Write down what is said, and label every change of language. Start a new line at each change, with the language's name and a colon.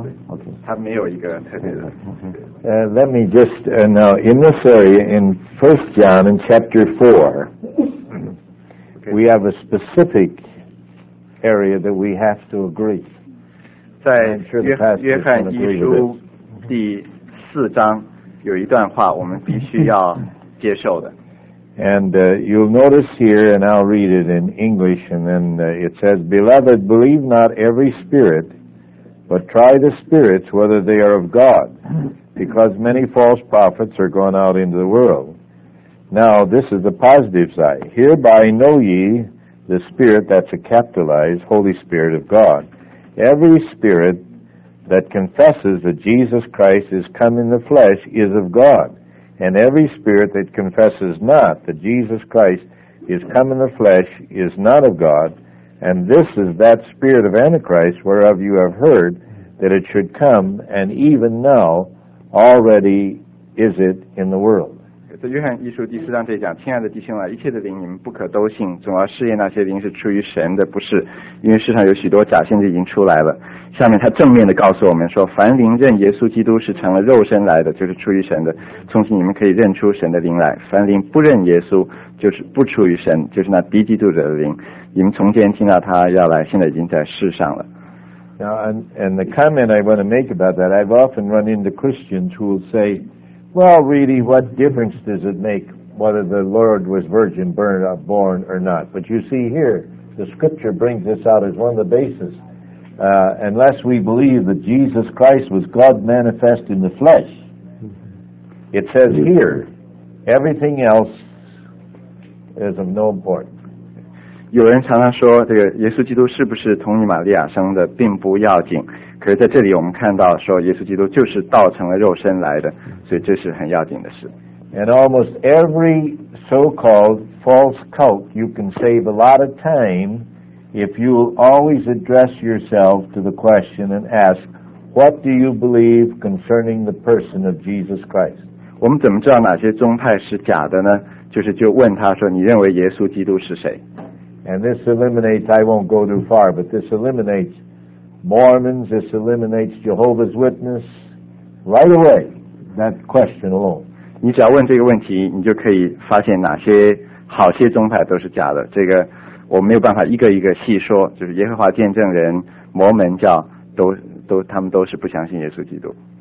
English: Let me just know in this area in 1 John in chapter 4 okay. We have a specific area that we have to agree.
Chinese: 在约翰一书第四章有一段话我们必须要接受的。
English: And you'll notice here, and I'll read it in English, and then it says, Beloved, believe not every spirit, but try the spirits whether they are of God, because many false prophets are gone out into the world. Now, this is the positive side. Hereby know ye the spirit, that's a capitalized Holy Spirit of God. Every spirit that confesses that Jesus Christ is come in the flesh is of God. And every spirit that confesses not that Jesus Christ is come in the flesh is not of God. And this is that spirit of Antichrist whereof you have heard that it should come, and even now already is it in the world.
Chinese: 在约翰一书第四章这里讲，亲爱的弟兄啊，一切的灵你们不可都信，总要试验那些灵是出于神的，不是，因为世上有许多假先知已经出来了。下面他正面的告诉我们说，凡灵认耶稣基督是成了肉身来的，就是出于神的，从此你们可以认出神的灵来。凡灵不认耶稣，就是不出于神，就是那敌基督者的灵。你们从前听到他要来，现在已经在世上了。
English: Now, and the comment I want to make about that, I've often run into Christians who will say,Well, really, what difference does it make whether the Lord was virgin born or not? But you see here, the scripture brings this out as one of the basis. Unless we believe that Jesus Christ was God manifest in the flesh, it says here, everything else is of no importance.
Chinese: 有人常常说这个耶稣基督是不是从尼玛利亚生的并不要紧，可是在这里我们看到说耶稣基督就是道成了肉身来的，所以这是很要紧的事。
English: And almost every so-called false cult you can save a lot of time if you always address yourself to the question and ask what do you believe concerning the person of Jesus Christ.
Chinese: 我们怎么知道哪些宗派是假的呢？就是就问他说你认为耶稣基督是谁。
English: And this eliminates, I won't go too far, but this eliminates Mormons, this eliminates Jehovah's Witness, right away, that question alone.
Chinese: 你只要问这个问题，你就可以发现哪些好些宗派都是假的。这个我没有办法一个一个细说，就是耶和华见证人、摩门教，他们都是不相信耶稣基督。